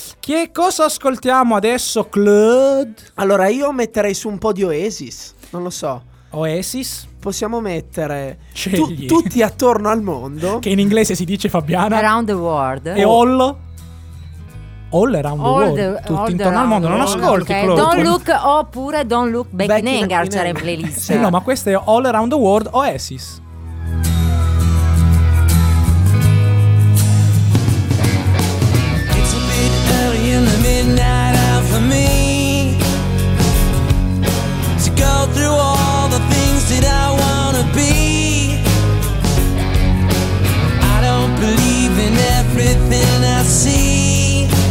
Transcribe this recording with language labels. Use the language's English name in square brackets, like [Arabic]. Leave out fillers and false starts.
[Italian] Che cosa ascoltiamo adesso, Claude? Allora, io metterei su un po' di Oasis. Non lo so. Oasis? Possiamo mettere tutti attorno al mondo. Che in inglese si dice, Fabiana? [English] Around the world. [Italian] E all? [English] All around the world, [Italian] tutti intorno al mondo, non ascolti, okay. [English] Don't look oppure don't look back in anger, [Italian] c'era in playlist. Sì, no, ma questo è All Around the World Oasis. [English] It's a bit early in the midnight hour for me to go through all the things that I wanna be. I don't believe in everything I see.